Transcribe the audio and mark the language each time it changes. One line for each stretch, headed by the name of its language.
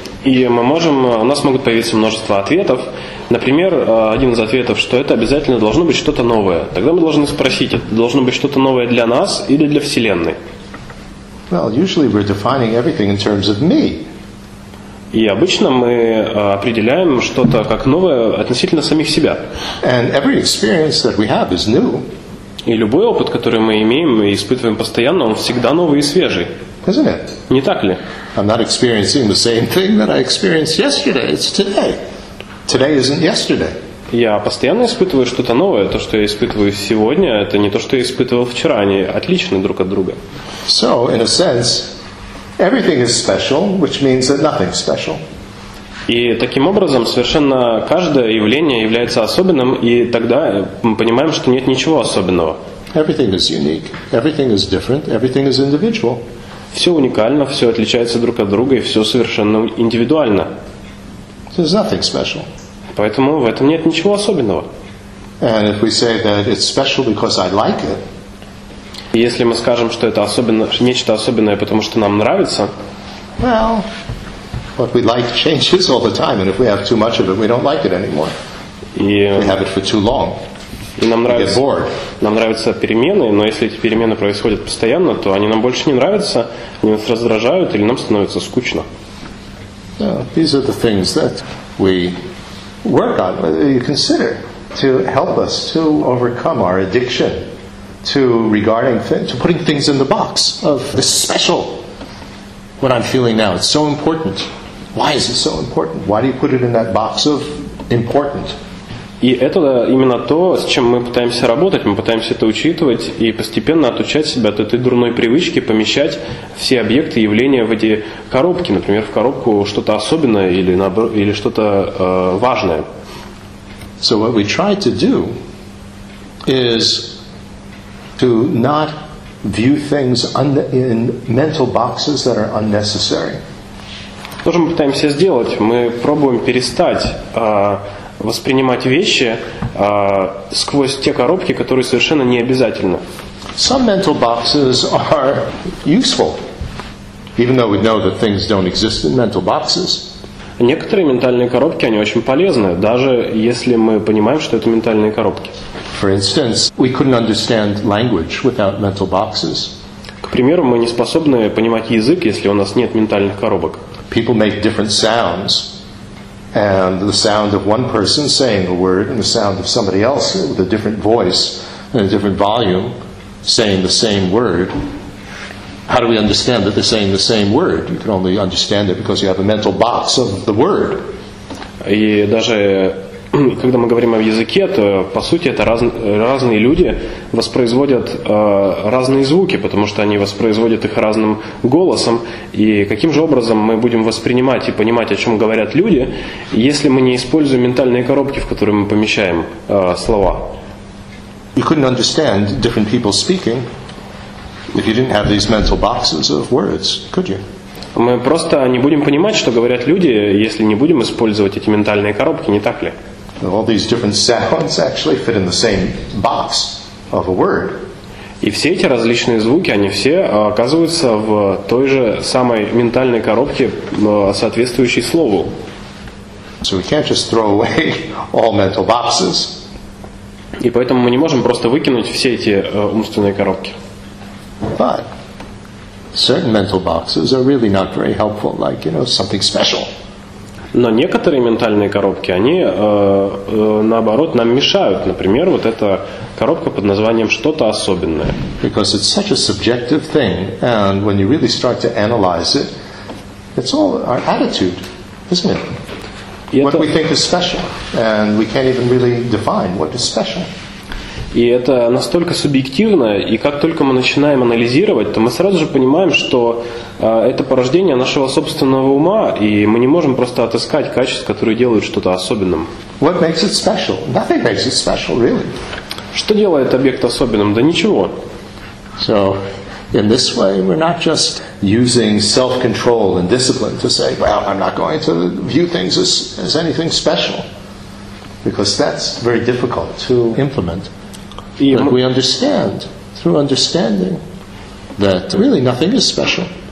Russian: И мы можем, у нас могут появиться множество ответов. Например, один из ответов, что это обязательно должно быть что-то новое. Тогда мы должны спросить, это должно быть что-то новое для нас или для Вселенной?
English: Well, usually we're defining everything in terms of me.
Russian: И обычно мы определяем что-то как новое относительно самих себя.
English: And every experience that we have is new.
Russian: И любой опыт, который мы имеем и испытываем постоянно, он всегда новый и свежий.
English: Isn't it?
Russian: Не так ли?
English: I'm not experiencing the same thing that I experienced yesterday. It's today. Today isn't yesterday.
Russian: Я постоянно испытываю что-то новое. То, что я испытываю сегодня, это не то, что я испытывал вчера. Они отличны друг от друга.
English: So, in a sense, everything is special, which means that nothing's special.
Russian: И таким образом, совершенно каждое явление является особенным, и тогда мы понимаем, что нет ничего особенного.
English: Everything is unique. Everything is different. Everything is individual.
Russian: Все уникально, все отличается друг от друга, и все совершенно индивидуально.
English: There's nothing special.
Russian: Поэтому в этом нет ничего особенного.
English: And if we say that it's special because I like it,
Russian: и если мы скажем, что это особенно, нечто особенное, потому что нам нравится,
English: well, what we like changes all the time, and if we have too much of it, we don't like it anymore.
Russian: И,
English: we have it for too long.
Russian: И нам нравится,
English: get bored.
Russian: Нам нравятся перемены, но если эти перемены происходят постоянно, то они нам больше не нравятся, они нас раздражают или нам становится скучно.
English: Yeah, these are the things that we work on, you consider to help us to overcome our addiction to regarding to putting things in the box of this special. What I'm feeling now, it's so important. Why is it so important? Why do you put it in that box of important?
Russian: И это именно то, с чем мы пытаемся работать. Мы пытаемся это учитывать и постепенно отучать себя от этой дурной привычки помещать все объекты, явления в эти коробки. Например, в коробку что-то особенное или, или что-то важное.
English: So what we try to do is to not view things in mental boxes that are unnecessary.
Russian: То, что мы пытаемся сделать, мы пробуем перестать воспринимать вещи сквозь те коробки, которые совершенно не обязательны.
English: Some mental boxes are useful, even though we know that things don't exist in mental boxes.
Russian: Некоторые ментальные коробки, они очень полезны, даже если мы понимаем, что это ментальные коробки.
English: For instance, we couldn't understand language without mental boxes.
Russian: К примеру, мы не способны понимать язык, если у нас нет ментальных коробок.
English: People make different sounds. And the sound of one person saying a word and the sound of somebody else with a different voice and a different volume saying the same word, How do we understand that they're saying the same word? You can only understand it because you have a mental box of the word.
Russian: И даже когда мы говорим о языке, то по сути это разные люди воспроизводят разные звуки, потому что они воспроизводят их разным голосом. И каким же образом мы будем воспринимать и понимать, о чем говорят люди, если мы не используем ментальные коробки, в которые мы помещаем слова?
English: You couldn't understand different people speaking if you didn't have these mental boxes of words, could you?
Russian: Мы просто не будем понимать, что говорят люди, если не будем использовать эти ментальные коробки, не так ли?
English: All these different sounds actually fit in the same box of a word.
Russian: И все эти различные звуки, они все оказываются в той же самой ментальной коробке, соответствующей слову.
English: So we can't just throw away all mental boxes.
Russian: И поэтому мы не можем просто выкинуть все эти умственные коробки.
English: But certain mental boxes are really not very helpful, like, you know, something special.
Russian: Но некоторые ментальные коробки, они наоборот нам мешают. Например, вот эта коробка под названием «что-то особенное».
English: Because it's such a subjective thing, and when you really start to analyze it, it's all our attitude, isn't it? What we think is special, and we can't even really define what is special.
Russian: И это настолько субъективно, и как только мы начинаем анализировать, то мы сразу же понимаем, что это порождение нашего собственного ума, и мы не можем просто отыскать качества, которые делают что-то особенным.
English: What makes it special? Nothing makes it special, really.
Russian: Что делает объект особенным? Да ничего.
English: So, in this way, we're not just using self-control and discipline to say, well, I'm not going to view things as anything special, because that's very difficult to implement. But we understand through understanding that really nothing is special.